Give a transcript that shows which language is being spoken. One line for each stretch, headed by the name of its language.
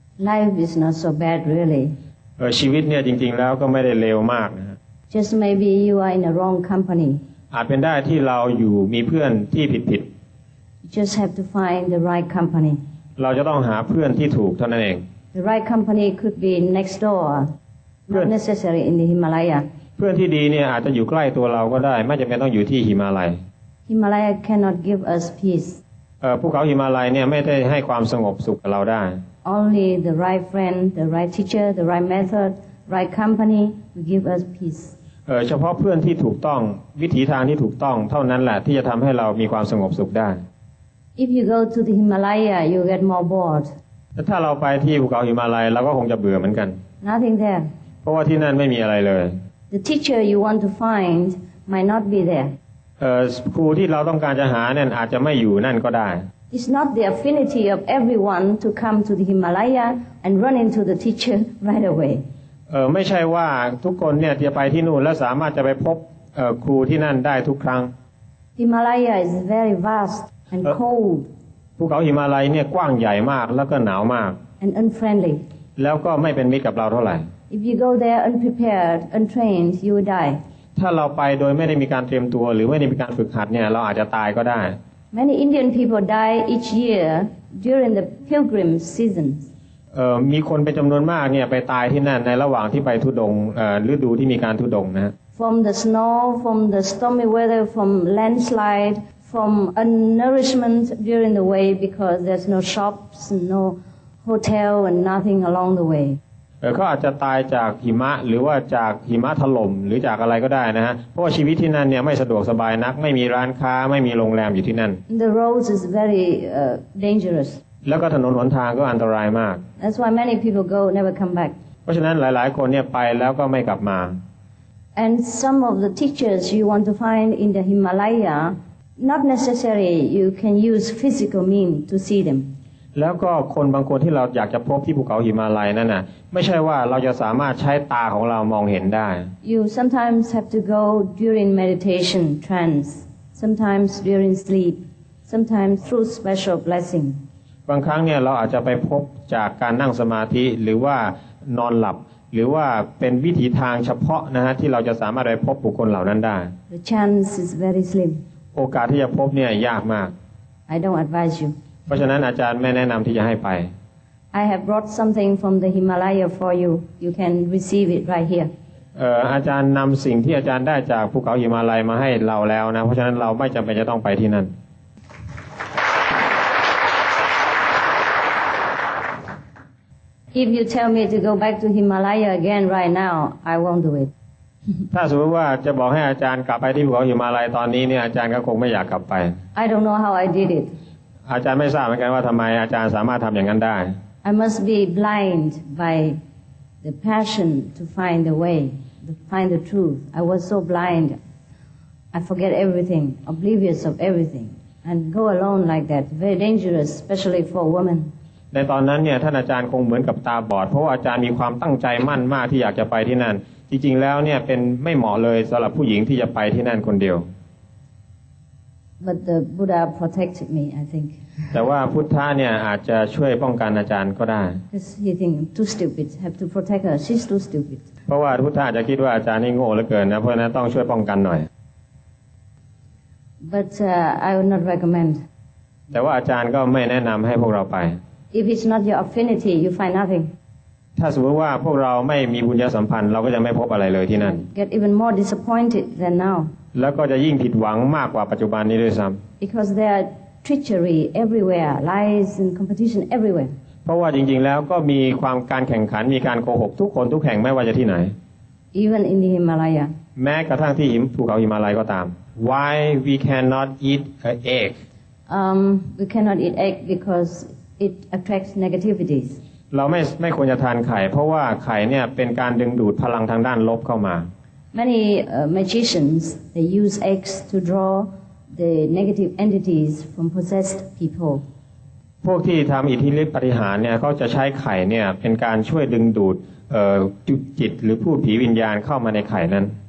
English: Life is not so bad really
Thai: ชีวิตเนี่ยจริงๆแล้วก็ไม่ได้เลวมากนะ
English: Just maybe you are in the wrong company
Thai: อาจเป็นได้ที่เราอยู่มีเพื่อนที่ผิด
English: Just have to find the right company.
Thai: เราจะต้องหาเพื่อนที่ถูกเท่านั้นเอง
English: The right company could be next door, not necessary in the Himalaya.
Thai: เพื่อนที่ดีเนี่ยอาจจะอยู่ใกล้ตัวเราก็ได้ไม่จำเป็นต้องอยู่ที่หิมาลัย
English: Himalaya cannot give us peace.
Thai: ภูเขาหิมาลัยเนี่ยไม่ได้ให้ความสงบสุขกับเราได้
English: Only the right friend, the right teacher, the right method, right company will give us peace.
Thai: เฉพาะเพื่อนที่ถูกต้องวิถีทางที่ถูกต้องเท่านั้นแหละที่จะทำให้เรามีความสงบสุขได้
English: If you go to the Himalaya, you get more bored.
Thai: ถ้าเราไปที่ภูเขาหิมาลัยเราก็คงจะเบื่อเหมือนกัน
English: Nothing there.
Thai: เพราะว่าที่นั่นไม่มีอะไรเลย
English: The teacher you want to find might not be there.
Thai: ครูที่เราต้องการจะหาเนี่ยอาจจะไม่อยู่นั่นก็ได้
English: It's not the affinity of everyone to come to the Himalaya and run into the teacher right away.
Thai: ไม่ใช่ว่าทุกคนเนี่ยจะไปที่นู่นแล้วสามารถจะไปพบครูที่นั่นได้ทุกครั้ง
English: Himalaya is very vast.And cold.
Thai: ภูเขาหิมาลัยเนี่ยกว้างใหญ่มากแล้วก็หนาวมาก
English: and unfriendly
Thai: แล้วก็ไม่เป็นมิตรกับเราเท่าไหร่
English: if you go there unprepared untrained you will die
Thai: ถ้าเราไปโดยไม่ได้มีการเตรียมตัวหรือไม่ได้มีการฝึกหัดเนี่ยเราอาจจะตายก็ได้
English: many indian people die each year during the pilgrim season
Thai: มีคนเป็นจํานวนมากเนี่ยไปตายที่นั่นในระหว่างที่ไปธุดงฤดูที่มีการธุดงนะ
English: from the snow from the stormy weather from landslide from unnourishment during the way because there's no shops no hotel and nothing along the way
Thai: ก็อาจจะตายจากหิมะหรือว่าจากหิมะถล่มหรือจากอะไรก็ได้นะฮะเพราะชีวิตที่นั่นเนี่ยไม่สะดวกสบายนักไม่มีร้านค้าไม่มีโรงแรมอยู่ที่นั่น
English: the roads is very dangerous
Thai: แล้วก็ถนนหนทางก็อันตรายมาก
English: that's why many people go never come back
Thai: เพราะฉะนั้นหลายๆคนเนี่ยไปแล้วก็ไม่กลับมา
English: and some of the teachers you want to find in the Himalaya not necessary you can use physical means to see them
Thai: แล้วก็คนบางคนที่เราอยากจะพบที่ภูเขาหิมาลัยนั่นน่ะไม่ใช่ว่าเราจะสามารถใช้ตาของเรามองเห็นได้
English: You sometimes have to go during meditation trance sometimes during sleep sometimes through special blessing
Thai: บางครั้งเนี่ยเราอาจจะไปพบจากการนั่งสมาธิหรือว่านอนหลับหรือว่าเป็นวิธีทางเฉพาะนะฮะที่เราจะสามารถไปพบบุคคลเหล่านั้นได้
English: The chance is very slim
Thai: โอกาสที่จะพบเนี่ยยากมาก
English: I don't advise you
Thai: เพราะฉะนั้นอาจารย์ไม่แนะนำที่จะให้ไป
English: I have brought something from the Himalaya for you. You can receive it right here.
Thai: อาจารย์นำสิ่งที่อาจารย์ได้จากภูเขาหิมาลัยมาให้เราแล้วนะเพราะฉะนั้นเราไม่จำเป็นจะต้องไปที่นั่น
English: If you tell me to go back to Himalaya again right now, I won't do it.
Thai: ถ้าสมมติว่าจะบอกให้อาจารย์กลับไปที่ภูเขาหิมาลัยตอนนี้เนี่ยอาจารย์ก็คงไม่อยากกลับไป
English: I don't know how I did it.
Thai: อาจารย์ไม่ทราบเหมือนกันว่าทำไมอาจารย์สามารถทำอย่างนั้นได้
English: I must be blind by the passion to find the way to find the truth I was so blind I forget everything oblivious of everything and go alone like that very dangerous especially for women
Thai: ในตอนนั้นเนี่ยท่านอาจารย์คงเหมือนกับตาบอดเพราะอาจารย์มีความตั้งใจมั่นมากที่อยากจะไปที่นั่นจริงๆแล้วเนี่ยเป็นไม่เหมาะเลยสำหรับผู้หญิงที่จะไปที่นั่นคนเดียว
English: But the Buddha protected me, I think.
Thai: แต่ว่าพุทธะเนี่ยอาจจะช่วยป้องกันอาจารย์ก็ได้
English: Because he think I'm too stupid, have to protect her. She's too stupid.
Thai: เพราะว่าพุทธะจะคิดว่าอาจารย์นี่โง่เหลือเกินนะเพราะนั้นต้องช่วยป้องกันหน่อย
English: But I would not recommend.
Thai: แต่ว่าอาจารย์ก็ไม่แนะนำให้พวกเราไป
English: If it's not your affinity, you find nothing.
Thai: ถ้าสมมติว่าพวกเราไม่มีบุญญาสัมพันธ์เราก็จะไม่พบอะไรเลยที่นั่น
English: Get even more disappointed than now.
Thai: แล้วก็จะยิ่งผิดหวังมากกว่าปัจจุบันนี้ด้วยซ้ำ
English: Because there are treachery everywhere, lies and competition everywhere.
Thai: เพราะว่าจริงๆแล้วก็มีความการแข่งขันมีการโกหกทุกคนทุกแห่งไม่ว่าจะที่ไหน
English: Even in the Himalaya.
Thai: แม้กระทั่งที่ภูเขาหิมาลัยก็ตาม
English: Why we cannot eat an egg? We cannot eat egg because it attracts negativities.
Thai: เราไม่ควรจะทานไข่เพราะว่าไข่เนี่ยเป็นการดึงดูดพลังทางด้านลบเข้ามา
English: Many magicians they use eggs to draw the negative entities from possessed people.
Thai: พวกที่ทำอิทธิฤทธิ์ปฏิหารเนี่ยเขาจะใช้ไข่เนี่ยเป็นการช่วยดึงดูดจิตหรือพูดผีวิญญาณเข้ามาในไข่นั้น